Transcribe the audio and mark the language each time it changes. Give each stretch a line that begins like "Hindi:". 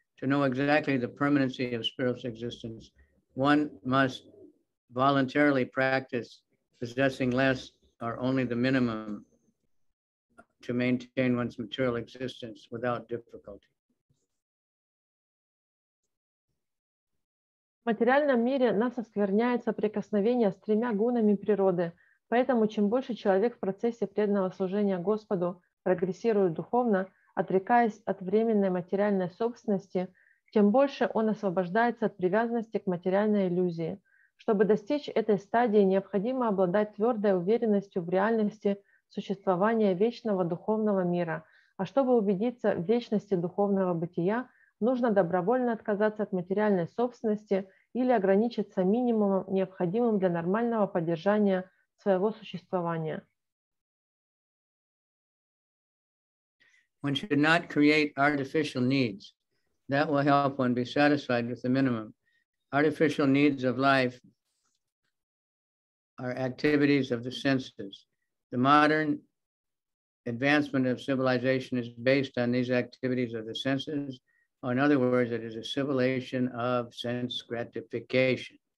English: To know exactly the permanency of spiritual existence, one must voluntarily practice possessing less or only the minimum to maintain one's material existence without difficulty.
Russian: В материальном мире нас оскверняет соприкосновение с тремя гунами природы, поэтому чем больше человек в процессе преданного служения Господу прогрессирует духовно, отрекаясь от временной материальной собственности, тем больше он освобождается от привязанности к материальной иллюзии. Чтобы достичь этой стадии, необходимо обладать твердой уверенностью в реальности существования вечного духовного мира. А чтобы убедиться в вечности духовного бытия, нужно добровольно отказаться от материальной собственности или ограничиться минимумом, необходимым для нормального поддержания своего существования.
English: One should not create artificial needs. That will help one be satisfied with the minimum. Artificial needs of life are activities of the senses. The modern advancement of civilization is based on these activities of the senses, or in other words, it is a civilization of sense gratification.